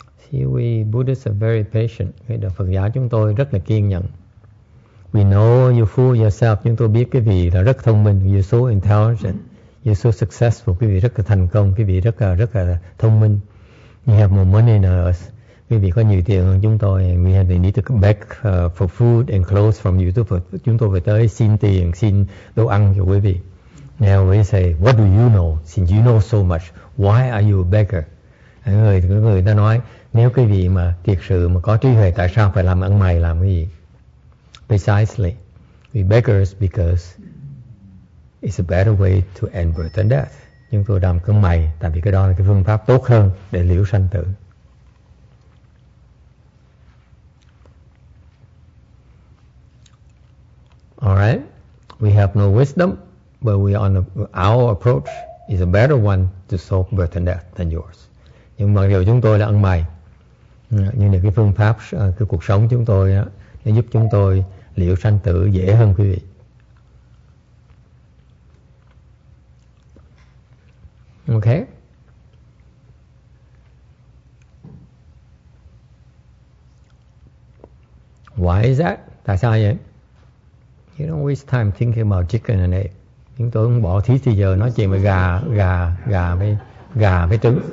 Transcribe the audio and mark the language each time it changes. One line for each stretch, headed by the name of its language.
English: See, we Buddhists are very patient.
Vietnamese: Phật giáo chúng tôi rất là kiên nhẫn.
English: We know you fool yourself.
Vietnamese: Chúng tôi biết quý vị là rất thông minh.
English: You're so intelligent. You're so successful.
Vietnamese: Quý vị rất là thành công. Quý vị rất là thông minh.
English: You have more money than us.
Vietnamese: Quý vị có nhiều tiền hơn chúng tôi.
English: And we have need to come back for food and clothes from you.
Vietnamese: Chúng tôi phải tới xin tiền, xin đồ ăn cho quý vị.
English: Now we say, what do you know? Since you know so much, why are you a beggar?
Vietnamese: Người ta nói, nếu quý vị mà thiệt sự mà có trí huệ, tại sao phải làm ăn mày làm cái gì?
English: Precisely, we beggars because it's a better way to end birth and death.
Vietnamese: Chúng tôi làm cơm mày, tại vì cái đó là cái phương pháp tốt hơn để liễu sanh tử.
English: Alright, we have no wisdom, but we on our approach is a better one to solve birth and death than yours.
Vietnamese: Nhưng mặc dù chúng tôi là ăn mày, nhưng là cái phương pháp, cái cuộc sống chúng tôi á, nó giúp chúng tôi liễu sanh tử dễ hơn quý vị.
English: Ok. Why is that?
Vietnamese: Tại sao vậy?
English: You don't waste time thinking about chicken and egg.
Vietnamese: Chúng tôi cũng bỏ thí thì giờ nói chuyện với gà với gà với trứng.